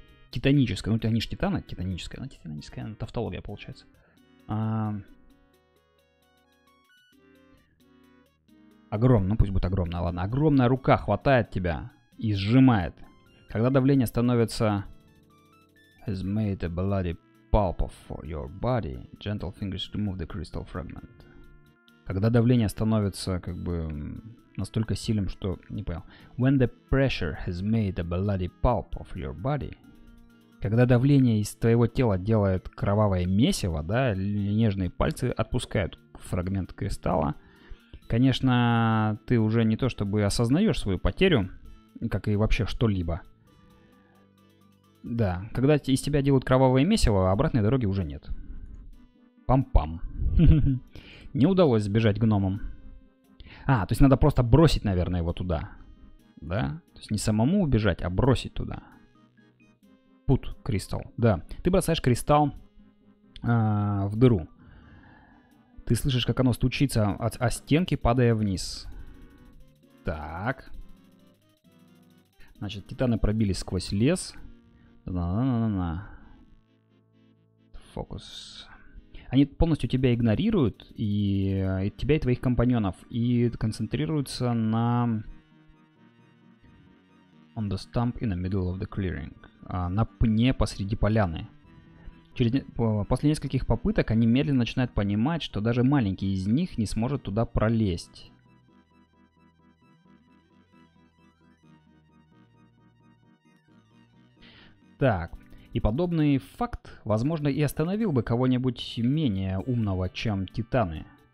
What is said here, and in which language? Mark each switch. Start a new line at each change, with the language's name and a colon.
Russian: Титаническое. Ну, они же титаны, титаническое. Но титаническая тавтология получается. Огромно, ну пусть будет огромная, ладно. Огромная рука хватает тебя и сжимает. Когда давление становится...
English: Has made a bloody pulp of your body. Gentle fingers remove the crystal fragment.
Russian: Когда давление становится как бы настолько сильным, что... Не понял.
English: When the pressure has made a bloody pulp of your body.
Russian: Когда давление из твоего тела делает кровавое месиво, да, нежные пальцы отпускают фрагмент кристалла. Конечно, ты уже не то чтобы осознаешь свою потерю, как и вообще что-либо. Да, когда из тебя делают кровавое месиво, обратной дороги уже нет. Пам-пам. Не удалось сбежать гномам. А, то есть надо просто бросить, наверное, его туда. Да? То есть не самому убежать, а бросить туда.
English: Put crystal.
Russian: Да, ты бросаешь кристалл в дыру. Ты слышишь, как оно стучится о стенки, падая вниз. Так. Значит, титаны пробились сквозь лес. На-на-на-на-на. Фокус. Они полностью тебя игнорируют, и тебя, и твоих компаньонов, и концентрируются на...
English: On the stump in the middle of the clearing.
Russian: На пне посреди поляны. После нескольких попыток они медленно начинают понимать, что даже маленький из них не сможет туда пролезть. Так, и подобный факт, возможно, и остановил бы кого-нибудь менее умного, чем титаны.